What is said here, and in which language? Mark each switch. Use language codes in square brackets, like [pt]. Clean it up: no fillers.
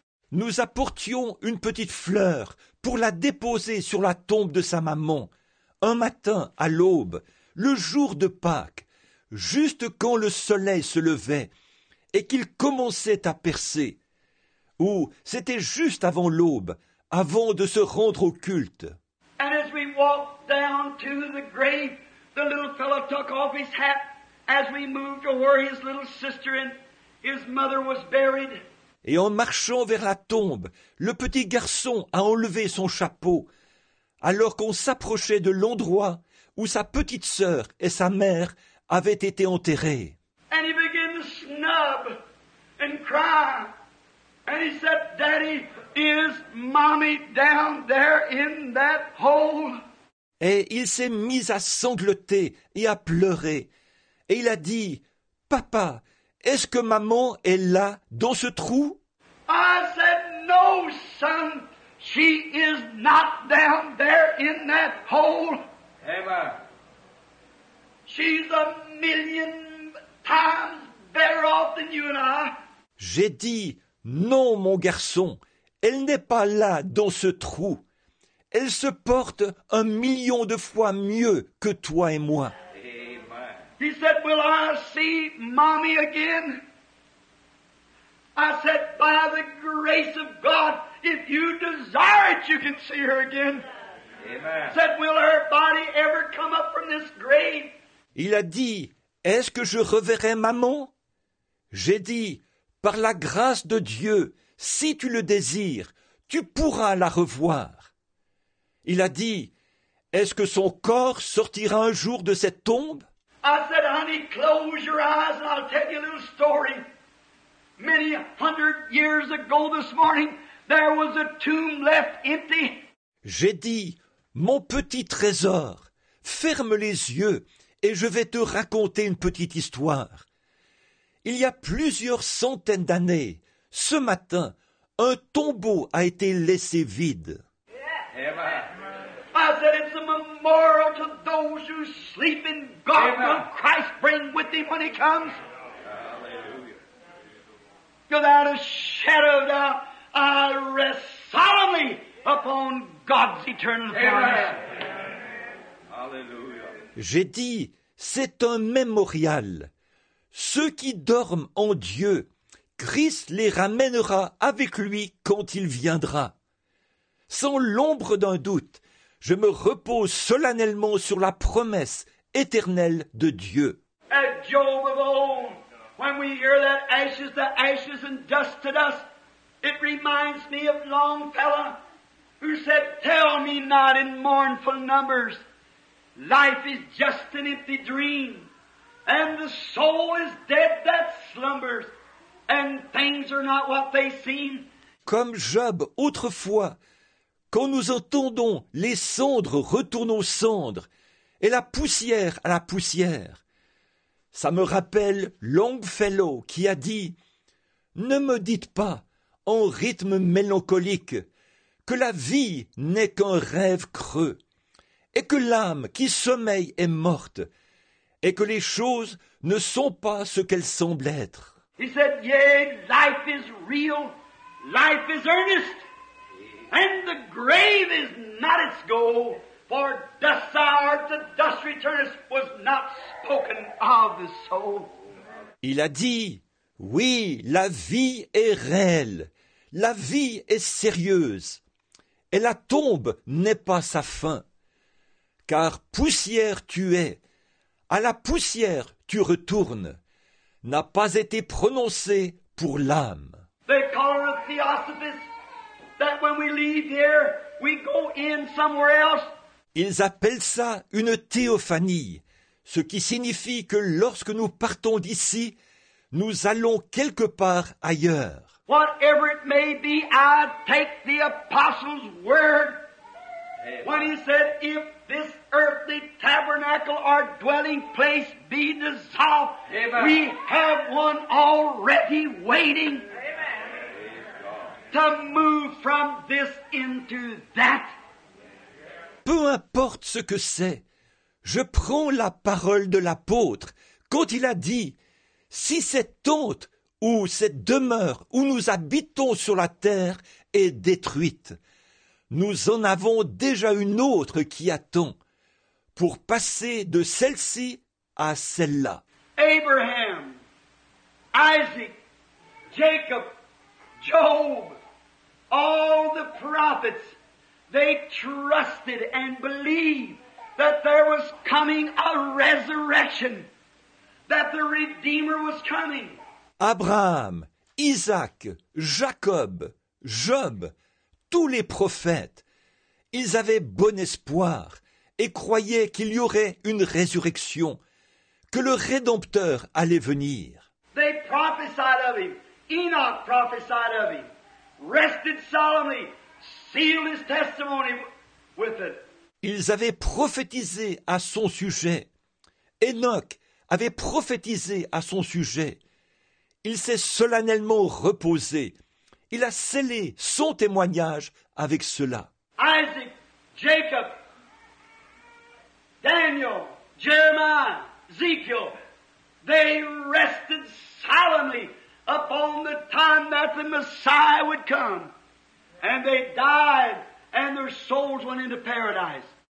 [fr] Nous apportions une petite fleur pour la déposer sur la tombe de sa maman, un matin à l'aube, le jour de Pâques, juste quand le soleil se levait et qu'il commençait à percer, ou c'était juste avant l'aube, avant de se rendre au culte. [en] And as we walked down to the grave, the little fellow took off his hat as we moved to where his little sister and his mother was buried. [fr] Et en marchant vers la tombe, le petit garçon a enlevé son chapeau alors qu'on s'approchait de l'endroit où sa petite sœur et sa mère avaient été enterrées. [en] And he began to snub and cry. And he said, "Daddy, is mommy down there in that hole?" [fr] Et il s'est mis à sangloter et à pleurer. Et il a dit, "Papa, est-ce que maman est là, dans ce trou?" [en] I said, "No, son, she is not down there in that hole. Amen. She's a million times better off than you and I." [fr] J'ai dit, "Non, mon garçon, elle n'est pas là, dans ce trou. Elle se porte un million de fois mieux que toi et moi." [en] He said, "Will I see mommy again?" I said, "By the grace of God, if you desire it, you can see her again." Said, will her body ever come up from this grave? [fr] Il a dit, est-ce que je reverrai maman? J'ai dit, par la grâce de Dieu, si tu le désires, tu pourras la revoir. Il a dit, est-ce que son corps sortira un jour de cette tombe? [en] I said, honey, close your eyes and I'll tell you a little story. Many hundred years ago this morning, there was a tomb left empty. [fr] J'ai dit, mon petit trésor, ferme les yeux et je vais te raconter une petite histoire. Il y a plusieurs centaines d'années, ce matin, un tombeau a été laissé vide. [en] I said it's a memorial to those who sleep in God when Christ bring with him when he comes. Without a shadow of doubt, I rest solemnly upon God's eternal promise. [fr] J'ai dit, c'est un mémorial. Ceux qui dorment en Dieu, Christ les ramènera avec lui quand il viendra. Sans l'ombre d'un doute, je me repose solennellement sur la promesse éternelle de Dieu. [en] At Job of old, when we hear that ashes to ashes and dust to dust, it reminds me of Longfellow, who said, tell me not in mournful numbers, life is just an empty dream, and the soul is dead that slumbers, and things are not what they seem. [fr] Comme Job autrefois, quand nous entendons les cendres retournent aux cendres et la poussière à la poussière. Ça me rappelle Longfellow qui a dit « Ne me dites pas, en rythme mélancolique, que la vie n'est qu'un rêve creux et que l'âme qui sommeille est morte et que les choses ne sont pas ce qu'elles semblent être. » [en] He said, yea, life is real, life is earnest. And the grave is not its goal, for dust thou art, the dust returnest, was not spoken of the soul. [fr] Il a dit, oui, la vie est réelle, la vie est sérieuse, et la tombe n'est pas sa fin. Car poussière tu es, à la poussière tu retournes, n'a pas été prononcée pour l'âme. [en] They call it a theosophist. That when we leave here, we go in somewhere else. [fr] Ils appellent ça une théophanie, ce qui signifie que lorsque nous partons d'ici, nous allons quelque part ailleurs. [en] Whatever it may be, I take the apostle's word. Amen. When he said, if this earthly tabernacle or dwelling place be dissolved, amen, we have one already waiting. To move from this into that. [fr] Peu importe ce que c'est, je prends la parole de l'apôtre quand il a dit, si cette tente ou cette demeure où nous habitons sur la terre est détruite, nous en avons déjà une autre qui attend pour passer de celle-ci à celle-là. [en] Abraham, Isaac, Jacob, Job, all the prophets, they trusted and believed that there was coming a resurrection, that the Redeemer was coming. [fr] Abraham, Isaac, Jacob, Job, tous les prophètes, ils avaient bon espoir et croyaient qu'il y aurait une résurrection, que le Rédempteur allait venir. [en] They prophesied of him. Enoch prophesied of him. Rested solemnly, sealed his testimony with it. [fr] Ils avaient prophétisé à son sujet. Enoch avait prophétisé à son sujet. Il s'est solennellement reposé. Il a scellé son témoignage avec cela. [en] Isaac, Jacob, Daniel, Jeremiah, Ezekiel, they rested solemnly upon the time that the Messiah would come. And they died, and their souls went into paradise.